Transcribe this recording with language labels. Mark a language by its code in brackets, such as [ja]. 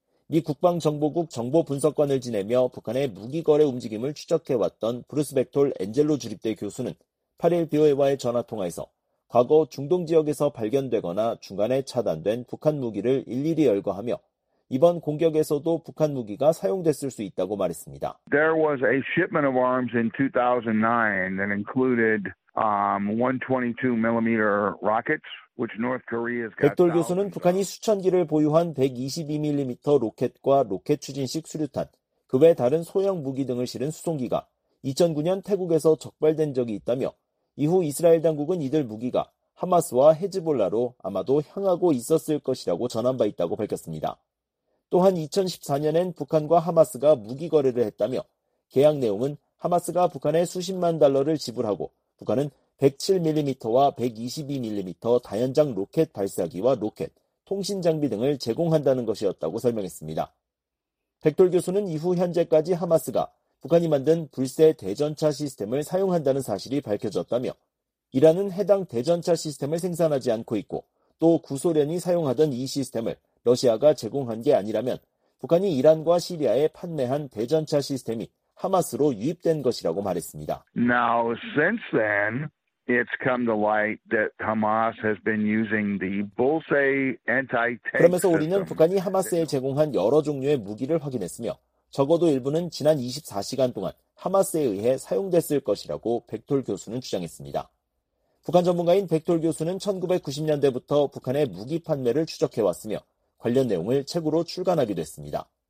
[ko] 미 국방정보국 정보분석관을 지내며 북한의 무기 거래 움직임을 추적해왔던 브루스 벡톨 엔젤로 주립대 교수는 8일 BOA와의 전화통화에서 과거 중동 지역에서 발견되거나 중간에 차단된 북한 무기를 일일이 열거하며 이번 공격에서도 북한 무기가 사용됐을 수 있다고 말했습니다. [en] There was a shipment of arms in 2009 that included 122mm rockets. [ko] 백돌 교수는 북한이 수천 기를 보유한 122mm 로켓과 로켓 추진식 수류탄, 그 외 다른 소형 무기 등을 실은 수송기가 2009년 태국에서 적발된 적이 있다며 이후 이스라엘 당국은 이들 무기가 하마스와 헤즈볼라로 아마도 향하고 있었을 것이라고 전한 바 있다고 밝혔습니다. 또한 2014년엔 북한과 하마스가 무기 거래를 했다며 계약 내용은 하마스가 북한에 수십만 달러를 지불하고 북한은 107mm와 122mm 다연장 로켓 발사기와 로켓, 통신 장비 등을 제공한다는 것이었다고 설명했습니다. 백돌 교수는 이후 현재까지 하마스가 북한이 만든 불세 대전차 시스템을 사용한다는 사실이 밝혀졌다며 이란은 해당 대전차 시스템을 생산하지 않고 있고 또 구소련이 사용하던 이 시스템을 러시아가 제공한 게 아니라면 북한이 이란과 시리아에 판매한 대전차 시스템이 하마스로 유입된 것이라고 말했습니다. [en] Now since then it's come to light that Hamas has been using the Bulse anti-tank. [ko] 그러면서 우리는 북한이 하마스에 제공한 여러 종류의 무기를 확인했으며 적어도 일부는 지난 24시간 동안 하마스에 의해 사용됐을 것이라고 백돌 교수는 주장했습니다. 북한 전문가인 백돌 교수는 1990년대부터 북한의 무기 판매를 추적해 왔으며 관련 내용을 책으로 출간하기도 했습니다.